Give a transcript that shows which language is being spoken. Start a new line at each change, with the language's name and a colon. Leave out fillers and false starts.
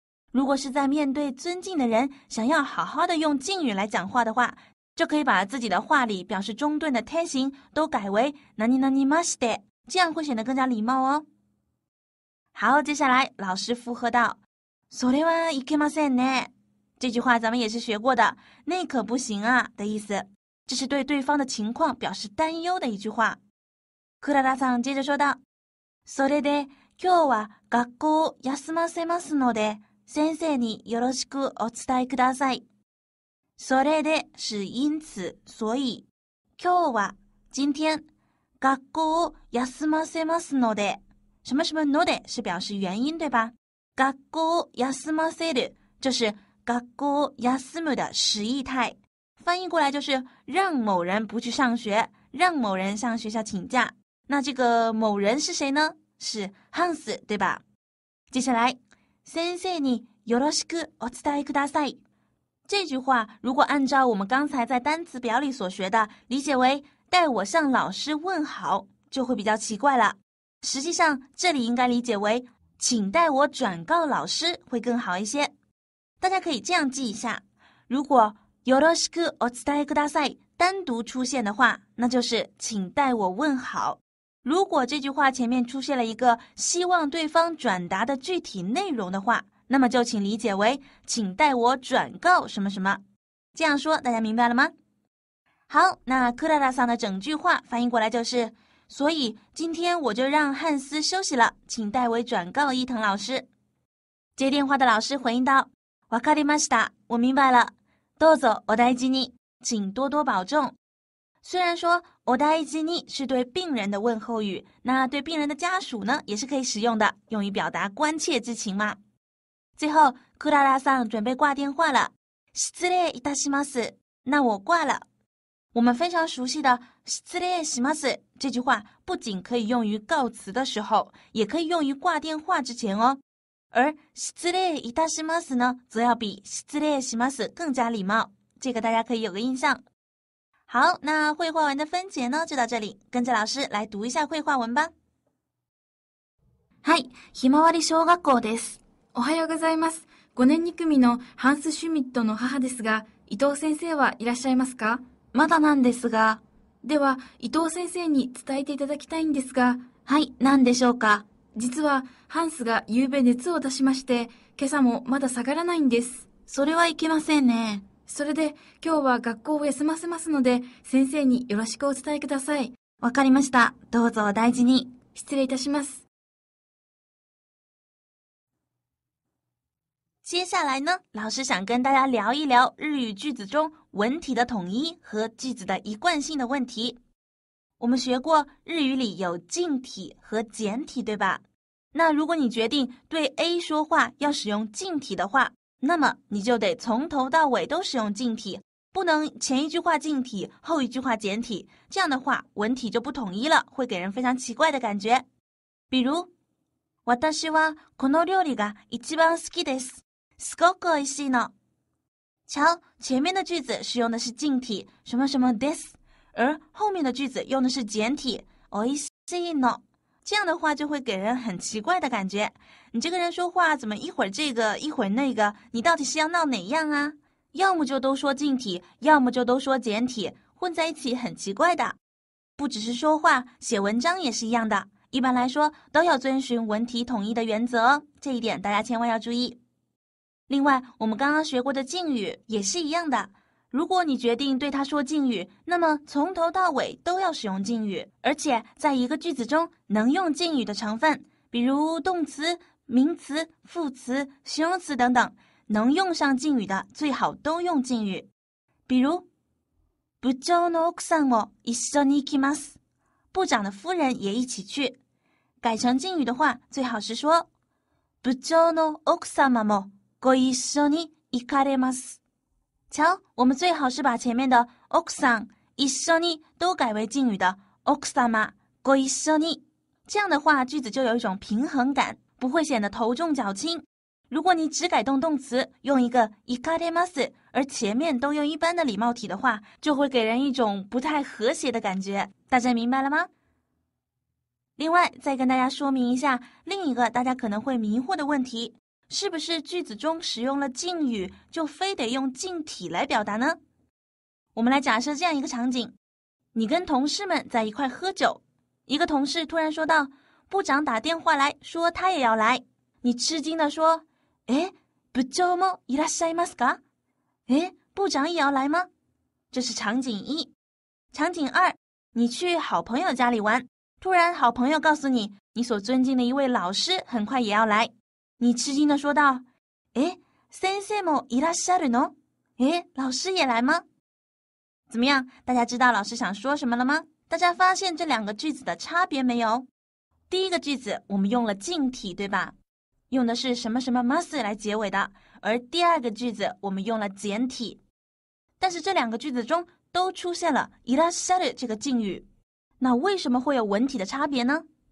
Chinese: 如果是在面对尊敬的人，想要好好的用敬语来讲话的话，就可以把自己的话里表示中顿的て型都改为
Japanese: なになにまして，
Chinese: 这样会显得更加礼貌哦。好，接下来老师附和道：
Japanese: それはいけませんね。
Chinese: 这句话咱们也是学过的，那可不行啊的意思，这是对对方的情况表示担忧的一句话。
Japanese: クララさん
Chinese: 接着说道：
Japanese: それで今日は学校を休ませますので、先生によろしくお伝えください。それで
Chinese: 是因此，所以
Japanese: 今日は
Chinese: 今天
Japanese: 学校を休ませますので
Chinese: 什么什么ので是表示原因，对吧？
Japanese: 学校を休ませる
Chinese: 就是
Japanese: 学校を休む
Chinese: 的实义态，翻译过来就是让某人不去上学，让某人向学校请假。那这个某人是谁呢？是ハンス，对吧？接下来
Japanese: 先生によろしくお伝えください。
Chinese: 这句话如果按照我们刚才在单词表里所学的理解为带我向老师问好，就会比较奇怪了。实际上这里应该理解为请代我转告老师会更好一些。大家可以这样记一下，如果
Japanese: よろしくお伝えください
Chinese: 单独出现的话，那就是请代我问好。如果这句话前面出现了一个希望对方转达的具体内容的话，那么就请理解为请代我转告什么什么。这样说大家明白了吗？好，那クララさん的整句话翻译过来就是，所以今天我就让汉斯休息了，请代为转告伊藤老师。接电话的老师回应道，
Japanese: わかりました，
Chinese: 我明白了，
Japanese: どうぞお大事に，
Chinese: 请多多保重。虽然说
Japanese: お大事に
Chinese: 是对病人的问候语，那对病人的家属呢也是可以使用的，用于表达关切之情嘛。最后クララさん准备挂电话了，
Japanese: 失礼いたします，
Chinese: 那我挂了。我们非常熟悉的
Japanese: 失礼します
Chinese: 这句话不仅可以用于告辞的时候，也可以用于挂电话之前哦。而
Japanese: 失礼いたします
Chinese: 呢，则要比
Japanese: 失礼します
Chinese: 更加礼貌，这个大家可以有个印象。好，那绘画文的分解呢就到这里，跟着老师来读一下绘画文吧。
Japanese: はい、ひまわり小学校です。おはようございます。 5年2組のハンス・シュミットの母ですが、伊藤先生はいらっしゃいますか？まだなんですが。では伊藤先生に伝えていただきたいんですが。はい、何でしょうか。実はハンスが夕べ熱を出しまして、今朝もまだ下がらないんです。それはいけませんね。それで今日は学校を休ませますので、先生によろしくお伝えください。わかりました、どうぞお大事に。失礼いたします。
Chinese: 接下来呢，老师想跟大家聊一聊日语句子中文体的统一和句子的一贯性的问题。我们学过日语里有敬体和简体，对吧？那如果你决定对 A 说话要使用敬体的话，那么你就得从头到尾都使用敬体，不能前一句话敬体，后一句话简体，这样的话文体就不统一了，会给人非常奇怪的感觉。比如，
Japanese: 私はこの料理が一番好きです。すごく美味しいの。
Chinese: 瞧，前面的句子使用的是敬体什么什么 this， 而后面的句子用的是简体
Japanese: 美味しいの。
Chinese: 这样的话就会给人很奇怪的感觉，你这个人说话怎么一会儿这个一会儿那个，你到底是要闹哪样啊？要么就都说敬体，要么就都说简体，混在一起很奇怪的。不只是说话，写文章也是一样的，一般来说都要遵循文体统一的原则，这一点大家千万要注意。另外，我们刚刚学过的敬语也是一样的。如果你决定对他说敬语，那么从头到尾都要使用敬语，而且在一个句子中能用敬语的成分，比如动词、名词、副词、形容词等等，能用上敬语的最好都用敬语。比如，部長の奥さんも一緒に行きます。部长的夫人也一起去。改成敬语的话，最好是说，
Japanese: 部長の奥様もご一緒に行かれます。
Chinese: 瞧，我们最好是把前面的
Japanese: 奥さん、一緒に
Chinese: 都改为敬语的
Japanese: 奥様、ご一緒に。
Chinese: 这样的话，句子就有一种平衡感，不会显得头重脚轻。如果你只改动动词，用一个
Japanese: 行かれます，
Chinese: 而前面都用一般的礼貌体的话，就会给人一种不太和谐的感觉。大家明白了吗？另外，再跟大家说明一下另一个大家可能会迷惑的问题。是不是句子中使用了敬语就非得用敬体来表达呢？我们来假设这样一个场景，你跟同事们在一块喝酒，一个同事突然说道，部长打电话来说他也要来。你吃惊地说，
Japanese: 诶，部長もいらっしゃいますか？
Chinese: 诶，部长也要来吗？这是场景一。场景二，你去好朋友家里玩，突然好朋友告诉你，你所尊敬的一位老师很快也要来。你吃惊地说道，
Japanese: え、先生もいらっしゃるの？
Chinese: え、老师也来吗？怎么样，大家知道老师想说什么了吗？大家发现这两个句子的差别没有？第一个句子我们用了敬体，对吧？用的是什么什么 must 来结尾的，而第二个句子我们用了简体。但是这两个句子中都出现了
Japanese: いらっしゃる
Chinese: 这个敬语，那为什么会有文体的差别呢？